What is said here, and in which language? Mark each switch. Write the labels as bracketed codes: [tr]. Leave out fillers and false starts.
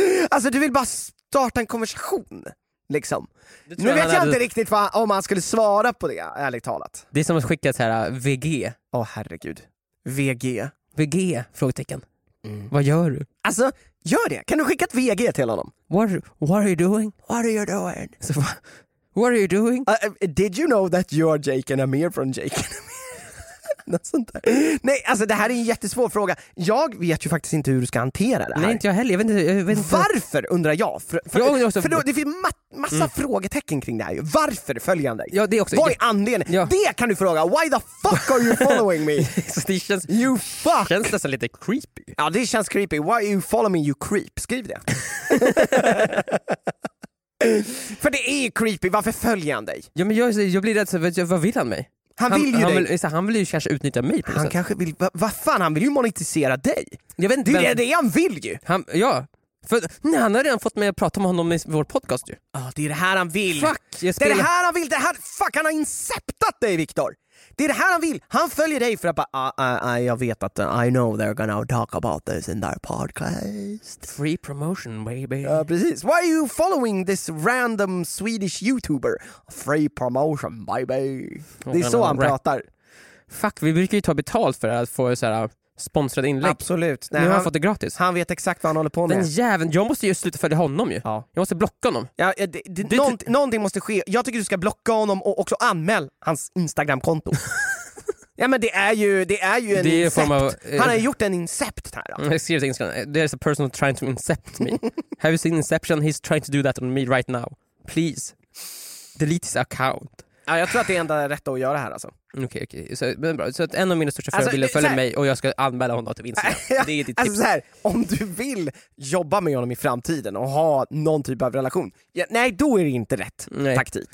[sv] Alltså du vill bara starta en konversation. Liksom. Nu vet jag inte riktigt vad, om han skulle svara på det, ärligt talat. Det är som att skicka så här VG. Åh, herregud. VG. VG, frågetecken. Mm. Vad gör du? Alltså, gör det. Kan du skicka ett VG till honom? [en] What are you doing? [sv] Så, [en] what are you doing? Did you know that you are Jake and Amir from Jake and Amir? [sv] Något sånt där. Nej, alltså det här är en jättesvår fråga. Jag vet ju faktiskt inte hur du ska hantera det här. Nej, inte jag heller. Jag vet inte. Varför, undrar jag? För det finns massa frågetecken kring det här. Varför följer han dig? Ja, det också. Vad är anledningen? Ja. Det kan du fråga. [en] Why the fuck are you following me? [sv] Det känns, [en] you fuck! Det [sv] känns nästan lite creepy. Ja, det känns creepy. [en] Why are you following me, you creep? [sv] Skriv det. För det är creepy. Varför följer han dig? Ja, men jag blir rädd. Vad vill han mig? Han vill ju kanske utnyttja mig på han sätt. Kanske vill. Vad fan, han vill ju monetisera dig. Jag vet inte. Det är det han vill ju. Nej, han har redan fått mig att prata med honom i vår podcast ju. Ja, det är det här han vill. Fuck, det är det här han vill. Det här, fuck, han har inceptat dig, Victor. Det är det här han vill. Han följer dig för att bara, jag vet att [en] I know they're gonna talk about this in their podcast. Free promotion, baby. [sv] Ja, precis. [en] Why are you following this random Swedish YouTuber? Free promotion, baby. [sv] Det är så han pratar. Fuck, vi brukar ju ta betalt för att få så här sponsrad inlägg. Absolut. Nej, nu har han fått det gratis. Han vet exakt vad han håller på med. Den jäveln, jag måste ju sluta följa honom ju. Ja. Jag måste blocka honom. Ja, någonting måste ske. Jag tycker du ska blocka honom och också anmäl hans Instagram-konto. Ja, men det är ju en incept. Han har gjort en incept här. [en] There's a person trying to incept me. Have you seen Inception? He's trying to do that on me right now. Please. Delete his account. [sv] Ja, jag tror att det är enda rätt att göra här alltså. Okej. Så att en av mina största fördelar vill följa mig och jag ska anmäla honom till Instagram. Ja, det är ditt alltså tips. Så här, om du vill jobba med honom i framtiden och ha någon typ av relation. Ja, nej, då är det inte rätt taktik.